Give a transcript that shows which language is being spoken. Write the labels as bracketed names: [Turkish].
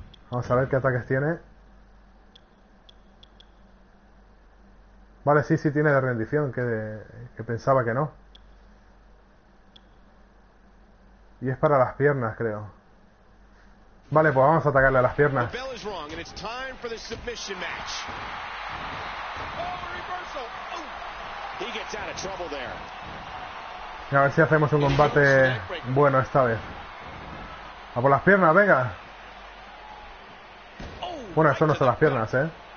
[Spanish] Vamos a ver qué ataques tiene. Vale, sí tiene de rendición, que pensaba que no. Y es para las piernas, creo. Vale, pues vamos a atacarle a las piernas. [English] The bell is wrong and it's time for the submission match. Oh, reversal. He gets out of trouble there. [Spanish] A ver si hacemos un combate bueno esta vez. A por las piernas, venga. Bueno, eso no son las piernas, ¿eh?